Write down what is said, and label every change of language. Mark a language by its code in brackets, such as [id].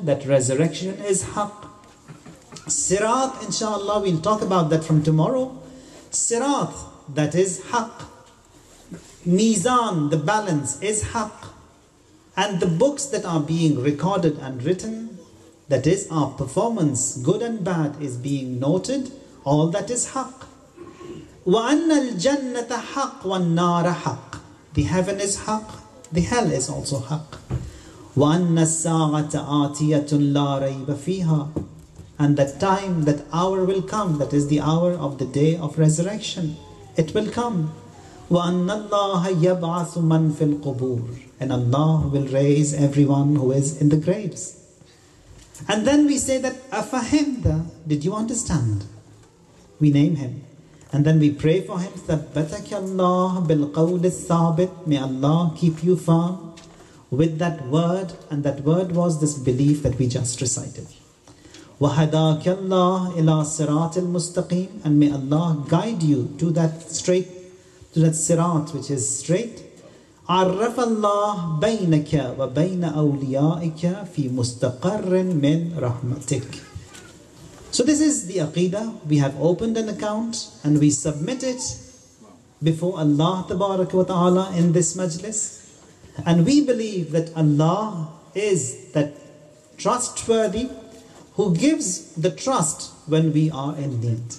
[en] That resurrection is haq. Sirat, inshallah, we'll talk about that from tomorrow. Sirat, that is haq. Mizan, the balance, is haq. And the books that are being recorded and written, that is our performance, good and bad, is being noted. All that is haq. [ar] وَأَنَّ الْجَنَّةَ حَقْ وَالنَّارَ حَقْ [en] The heaven is haq. The hell is also haq. [ar] وَأَنَّ السَّاعَةَ آتِيَةٌ لَا رَيْبَ فِيهَا [en] And that time, that hour will come, that is the hour of the day of resurrection. It will come. [ar] وَأَنَّ اللَّهَ يَبْعَثُ مَنْ فِي الْقُبُورِ [en] And Allah will raise everyone who is in the graves. And then we say that [ar] أَفَهِمْتَ [en] Did you understand? We name him. And then we pray for him, [ar] ثَبَّتَكَ اللَّهُ بِالْقَوْلِ الثَّابِتِ [en] May Allah keep you firm with that word. And that word was this belief that we just recited. [ar] وَهَدَاكَ اللَّهُ إِلَى صِرَاطِ الْمُسْتَقِيمِ [en] And may Allah guide you to that straight, to that sirat which is straight. [ar] عَرَّفَ اللَّهُ بَيْنَكَ وَبَيْنَ أَوْلِيَائِكَ فِي مُسْتَقَرٍ مِّن رَحْمَتِكَ [en] So this is the Aqeedah. We have opened an account and we submit it before Allah Tabaraka wa Ta'ala in this majlis. And we believe that Allah is that trustworthy who gives the trust when we are in need.